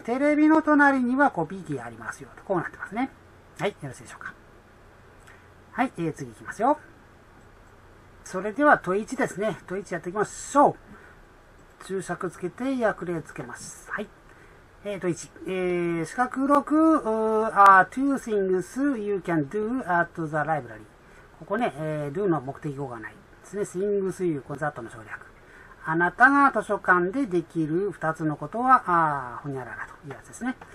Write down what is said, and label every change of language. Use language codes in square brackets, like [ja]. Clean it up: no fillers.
[ja] テレビの隣にはコピー機がありますよ、とこうなってますね。はい、よろしいでしょうか。はい、次行きますよ。それでは問1ですね。問1やっていきましょう。注釈つけて、役例つけます。はい。 [en] 四角六、are two things you can do at the library. [ja] ここね、do の目的語がない。ですね、 [en] things you, [ja] この that の省略。あなたが図書館でできる二つのことは、ほにゃららというやつですね。